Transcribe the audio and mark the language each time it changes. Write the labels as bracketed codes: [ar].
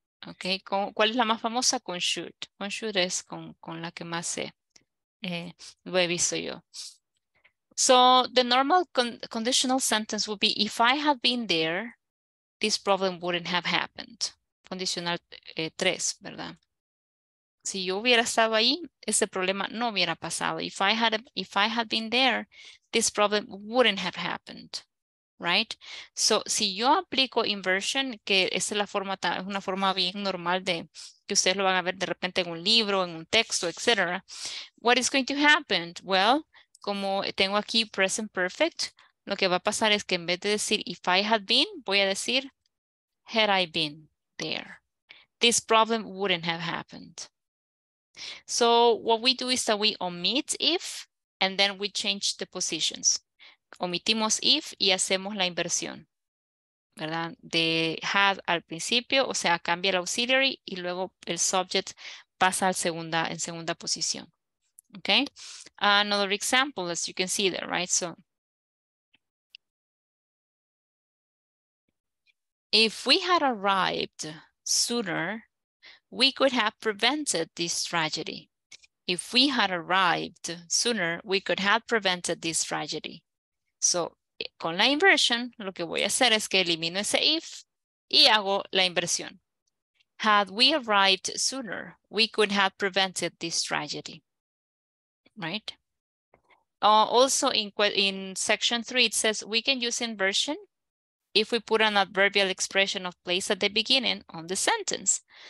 [es] Okay, ¿cuál es la más famosa? Con should. Con should es con la que más sé. Lo he visto yo. [en] So the normal conditional sentence would be, if I had been there, this problem wouldn't have happened. [es] Condicional 3, ¿verdad? Si yo hubiera estado ahí, ese problema no hubiera pasado. [en] If I had been there, this problem wouldn't have happened. Right? [es] So, si yo aplico inversion, que esa es la forma, es una forma bien normal de que ustedes lo van a ver de repente en un libro, en un texto, etc. [en] What is going to happen? Well, como tengo aquí present perfect, lo que va a pasar es que en vez de decir if I had been, voy a decir had I been there, this problem wouldn't have happened. So, what we do is that we omit if and then we change the positions. [es] Omitimos if y hacemos la inversión, ¿verdad? De had al principio, o sea, cambia el auxiliary y luego el subject pasa al segunda, en segunda posición. [en] Okay? Another example, as you can see there, right? So, if we had arrived sooner, we could have prevented this tragedy. If we had arrived sooner, we could have prevented this tragedy. [es] So, con la inversión, lo que voy a hacer es que elimino ese if y hago la inversión. [en] Had we arrived sooner, we could have prevented this tragedy, right? Also, in section 3, it says we can use inversion if we put an adverbial expression of place at the beginning on the sentence.